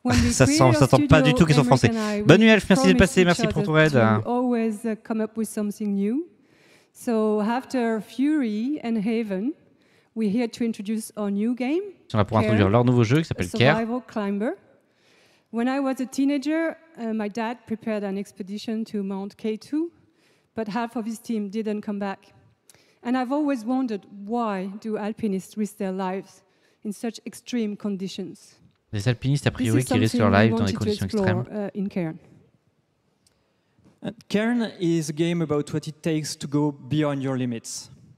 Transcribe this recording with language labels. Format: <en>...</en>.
<fr>ça sent pas du tout qu'ils sont français. Bonne nuit, Elf. Merci d'être passé. Merci pour ton aide.</fr> <en>Always come up with something new. So after Fury and Haven, we're here to introduce our new game.</en> <fr>On va pouvoir introduire leur nouveau jeu qui s'appelle Care.</fr> <en>Survival Climber. When I was a teenager, my dad prepared an expedition to Mount K2, but half of his team didn't come back. And I've always wondered why do alpinists risk their lives in such extreme conditions?</en> <fr>Les alpinistes a priori qui risquent leur life dans des conditions extrêmes.</fr> <en>In Cairn. Cairn is a game about what it takes to go beyond your limits.</en>